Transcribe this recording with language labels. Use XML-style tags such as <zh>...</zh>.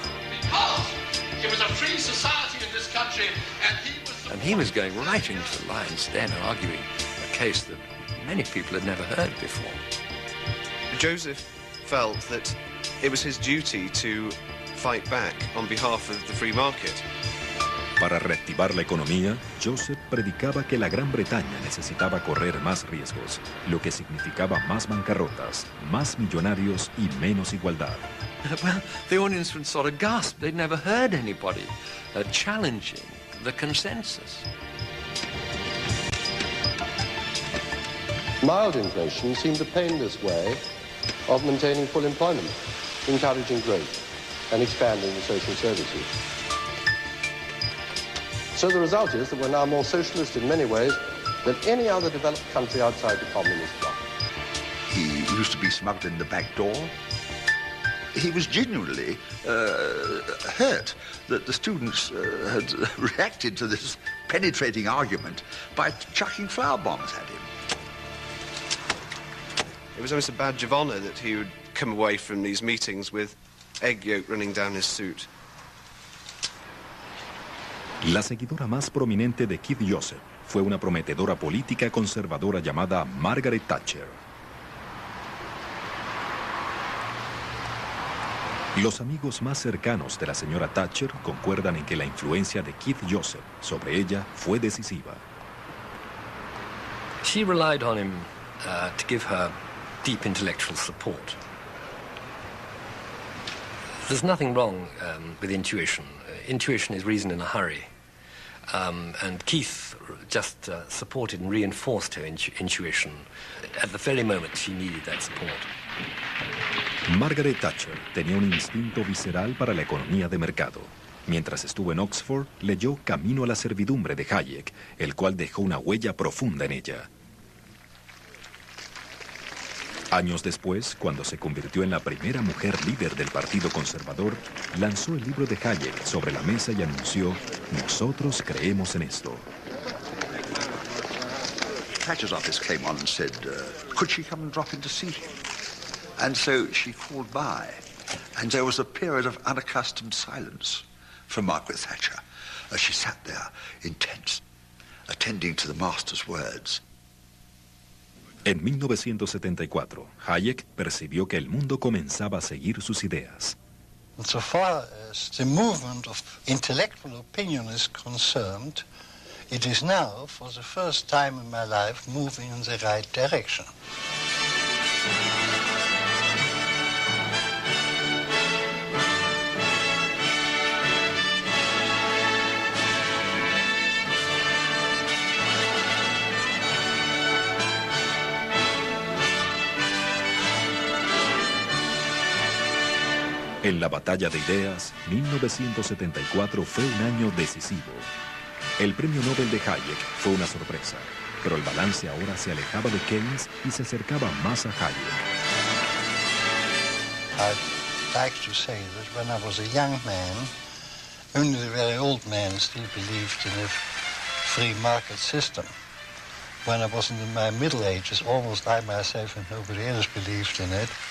<en>Because it was a free society in this country, and he was going right into the lion's den, arguing a case that many people had never heard before. Joseph felt that it was his duty to fight back on behalf of the free market.</en> <es>Para reactivar la economía, Joseph predicaba que la Gran Bretaña necesitaba correr más riesgos, lo que significaba más bancarrotas, más millonarios y menos igualdad.</es> <en>Well, the audience would sort of gasp. They'd never heard anybody challenging the consensus. Mild inflation seemed the painless way of maintaining full employment, encouraging growth, and expanding the social services. So the result is that we're now more socialist in many ways than any other developed country outside the communist bloc. He used to be smuggled in the back door. He was genuinely hurt that the students had reacted to this penetrating argument by chucking flower bombs at him. It was almost a badge of honor that he would come away from these meetings with egg yolk running down his suit.</en> <es>La seguidora más prominente de Keith Joseph fue una prometedora política conservadora llamada Margaret Thatcher. Los amigos más cercanos de la señora Thatcher concuerdan en que la influencia de Keith Joseph sobre ella fue decisiva.</es> <en>She relied on him to give her deep intellectual support. There's nothing wrong with intuition. Intuition is reason in a hurry. And Keith just supported and reinforced her intuition at the very moment she needed that support.</en> <es>Margaret Thatcher tenía un instinto visceral para la economía de mercado. Mientras estuvo en Oxford, leyó Camino a la servidumbre de Hayek, el cual dejó una huella profunda en ella. Años después, cuando se convirtió en la primera mujer líder del Partido Conservador, lanzó el libro de Hayek sobre la mesa y anunció: "Nosotros creemos en esto".</es> <en>Thatcher's office came on and said, "Could she come and drop in to see him?" And so she called by, and there was a period of unaccustomed silence for Margaret Thatcher as she sat there, intense, attending to the master's words.</en> <es>En 1974, Hayek percibió que el mundo comenzaba a seguir sus ideas.</es> <en>So far as the movement of intellectual opinion is concerned, it is now, for the first time in my life, moving in the right direction.</en> <es>En la batalla de ideas, 1974 fue un año decisivo. El premio Nobel de Hayek fue una sorpresa, pero el balance ahora se alejaba de Keynes y se acercaba más a Hayek.</es> <en>I'd like to say that when I was a young man, only the very old man still believed in a free market system. When I was in my middle ages, almost I myself and nobody else believed in it.</en>